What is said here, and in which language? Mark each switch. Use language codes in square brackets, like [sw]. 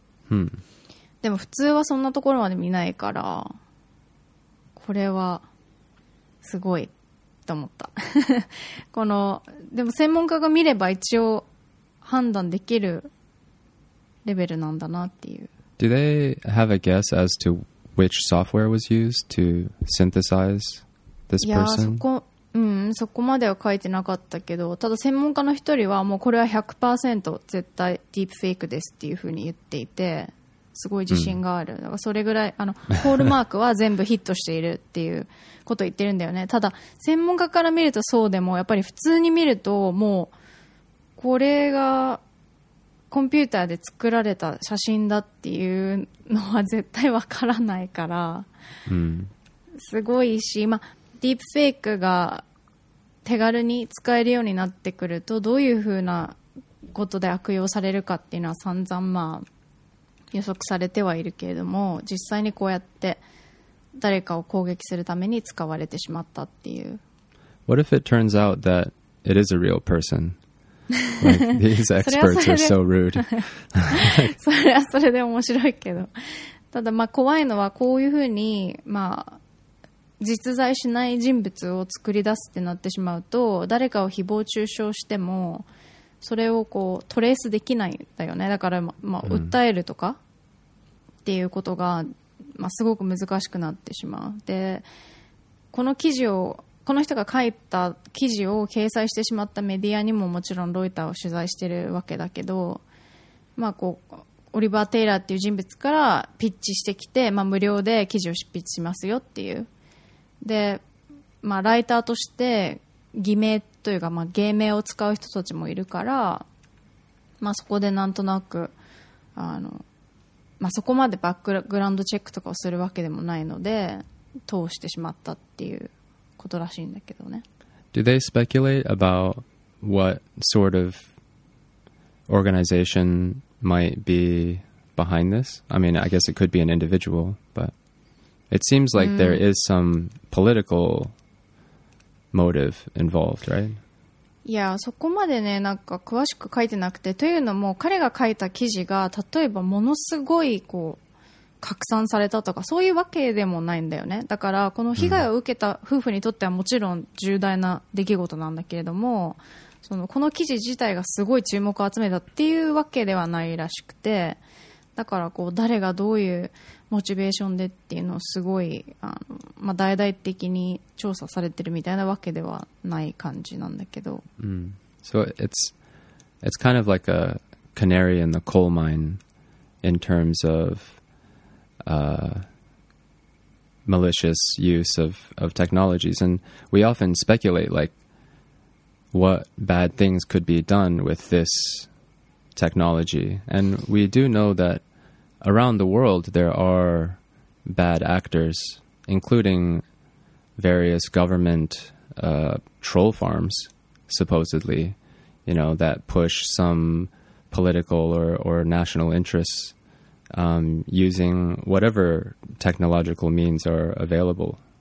[ja] うん、でも普通はそんなところまで見ないから、これはすごいと思ったこのでも専門家が見れば一応判断できるレベルなんだなっていう。 [en] Do they have a guess as to which software was used to synthesize this person? [ja] そこまでは書いてなかったけど、ただ専門家の一人はもうこれは 100% 絶対ディープフェイクですっていうふうに言っていて、すごい自信がある、うん、だからそれぐらいあのホールマークは全部ヒットしているっていうことを言ってるんだよね。ただ専門家から見るとそうでも、やっぱり普通に見るともうこれがコンピューターで作られた写真だっていうのは絶対わからないから、うん、すごいし、まあ、ディープフェイクが手軽に使えるようになってくると、どういうふうなことで悪用されるかっていうのは散々まあ予測されてはいるけれども、実際にこうやって誰かを攻撃するために使われてしまったっていう。 [en] What if it turns out that it is a real personLike, these experts are so rude. [ja] それはそれで面白いけど、ただまあ怖いのはこういうふうにまあ実在しない人物を作り出すってなってしまうと、誰かを誹謗中傷してもそれをこうトレースできないんだよね。だからまあ訴えるとかっていうことがまあすごく難しくなってしまう。でこの記事をこの人が書いた記事を掲載してしまったメディアにももちろんロイターを取材してるわけだけど、まあこうオリバー・テイラーっていう人物からピッチしてきて、まあ、無料で記事を執筆しますよっていう。で、まあ、ライターとして偽名というか、まあ、芸名を使う人たちもいるから、まあ、そこでなんとなくまあ、そこまでバックグラウンドチェックとかをするわけでもないので通してしまったっていうことらしいんだけどね。 [en] Do they speculate about what sort of organization might be behind this? I mean, I guess it could be an individual, but it seems like there is some political motive involved, right? [ja] いや、そこまでね、なんか詳しく書いてなくて、というのも彼が書いた記事が例えばものすごいこう拡散されたとかそういうわけでもないんだよね。だからこの被害を受けた夫婦にとってはもちろん重大な出来事なんだけれども、そのこの記事自体がすごい注目を集めたっていうわけではないらしくて、だからこう誰がどういうモチベーションでっていうのをすごい大々的に調査されてるみたいなわけではない感じなんだけど、 [en] So it's kind of like a canary in the coal mine in terms of malicious use of technologies, and we often speculate like what bad things could be done with this technology, and we do know thatAround the world, there are bad actors, including various government troll farms, supposedly, you know, that push some political or national interests using whatever technological means are available.